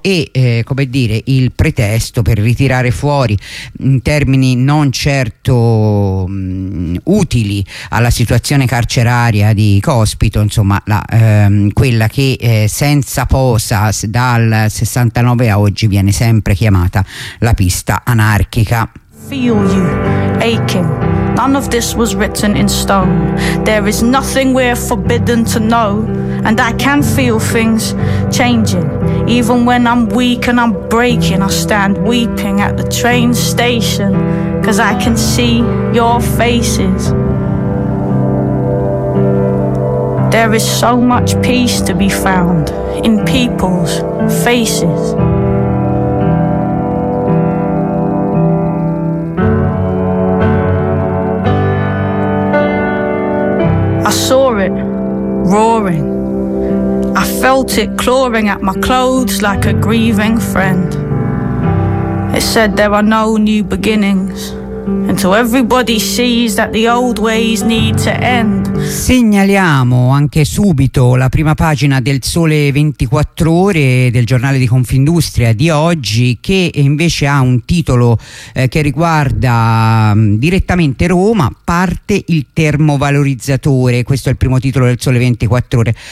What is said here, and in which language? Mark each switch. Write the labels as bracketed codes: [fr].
[it] E come dire, il pretesto per ritirare fuori, in termini non certo utili alla situazione carceraria di Cospito, insomma quella che senza posa dal 69 a oggi viene sempre chiamata la pista anarchica. [en] Feel you aching. None of this was written in stone. There is nothing we're forbidden to know. And I can feel things changing. Even when I'm weak and I'm breaking, I stand weeping at the train station. 'Cause I can see your faces. There is so much peace to be found in people's faces. I saw it roaring. I felt it clawing at my clothes like a grieving friend. It said there are no new beginnings until everybody sees that the old ways need to end. [it] Segnaliamo anche subito la prima pagina del Sole 24 Ore, del giornale di Confindustria di oggi, che invece ha un titolo che riguarda direttamente Roma. Parte il termovalorizzatore, questo è il primo titolo del Sole 24 Ore.